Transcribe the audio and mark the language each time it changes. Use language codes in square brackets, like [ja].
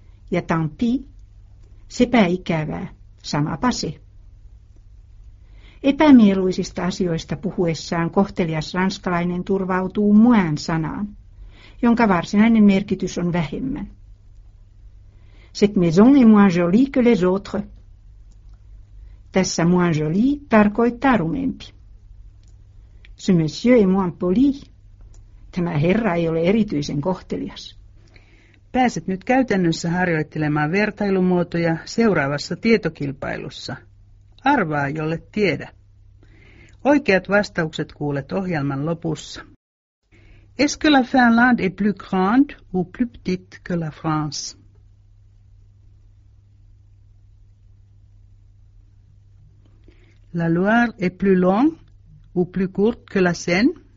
[fi] Ja tant pis, sepä ikävää, samapa se. Epämieluisista asioista puhuessaan kohtelias ranskalainen turvautuu moins-sanaan, jonka varsinainen merkitys on vähemmän. [fr] Cette maison est moins jolie que les autres. [fi] Tässä moins jolie tarkoittaa rumempi. [fr] Ce monsieur est moins poli. [fi] Tämä herra ei ole erityisen kohtelias. Pääset nyt käytännössä harjoittelemaan vertailumuotoja seuraavassa tietokilpailussa. Arvaa, jolle tiedä. Oikeat vastaukset kuulet ohjelman lopussa. [fr] Est-ce que la Finlande est plus grande ou plus petite que la France? La Loire est plus longue ou plus courte que la Seine?